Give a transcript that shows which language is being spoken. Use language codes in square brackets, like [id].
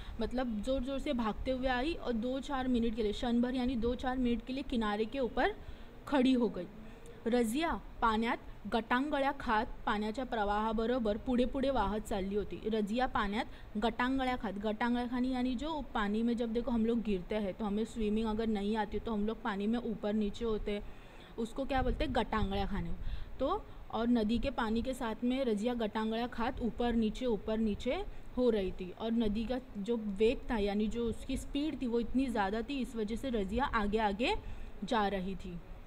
[hi] मतलब जोर जोर से भागते हुए आई और 2-4 मिनट के लिए, क्षण भर यानी 2-4 मिनट के लिए किनारे के ऊपर खड़ी हो गई। [mr] रजिया पाण्यात गटांगळ्या खात पाण्याच्या प्रवाहाबरोबर पुढे पुढे वाहत चालली होती। रजिया पाण्यात गटांगळ्या खात, [hi] गटांगळ्या खानी यानी जो पानी में जब देखो हम लोग गिरते हैं तो हमें स्विमिंग अगर नहीं आती तो हम लोग पानी में ऊपर नीचे होते हैं, उसको क्या बोलते हैं गटांगळ्या खाने। तो और नदी के पानी के साथ में रजिया गटांगळ्या खात ऊपर नीचे हो रही थी और नदी का जो वेग था यानी जो उसकी स्पीड थी वो इतनी ज़्यादा थी, इस वजह से रजिया आगे आगे जा रही थी।